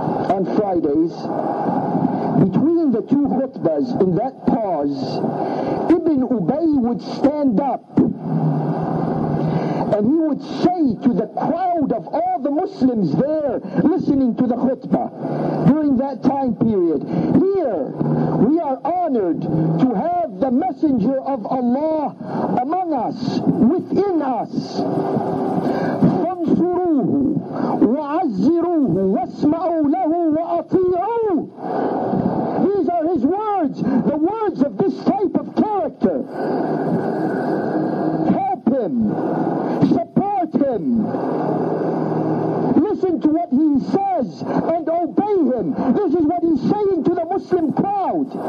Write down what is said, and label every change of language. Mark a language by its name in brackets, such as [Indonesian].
[English] on Fridays, between the two khutbahs, in that pause, Ibn Ubay would stand up and he would say to the crowd of all the Muslims there listening to the khutbah during that time period, here we are honored to have the Messenger of Allah among us, within us. [Arabic] فانصروه وعزروه واسمعوا له وأطيعوه. [English] These are his words, the words of this type of character. Help him, support him, listen to what he says and obey him. This is what he's saying to the Muslim crowd.